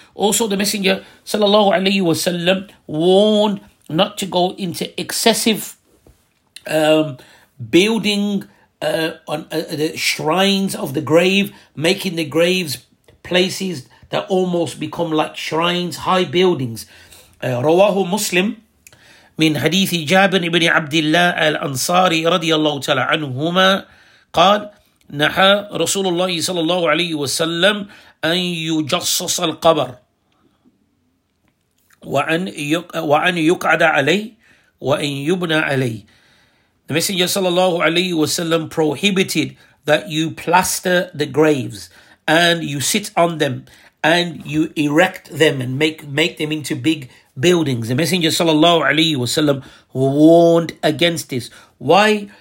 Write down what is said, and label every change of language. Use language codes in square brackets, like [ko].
[en] Also, the Messenger sallallahu alayhi wa sallam warned not to go into excessive building on the shrines of the grave, making the graves places that almost become like shrines, high buildings. [ar] رواه مسلم من حديث جابر بن عبد الله الأنصاري رضي الله تعالى عنهما قال نهى رسول الله صلى الله عليه وسلم أن يجصص القبر وأن يقعد عليه وأن يبنى عليه. [en] The Messenger [ar] صلى الله عليه وسلم [en] prohibited that you plaster the graves and you sit on them and you erect them and make them into big buildings. The Messenger sallallahu alayhi wa sallam warned against this. Why?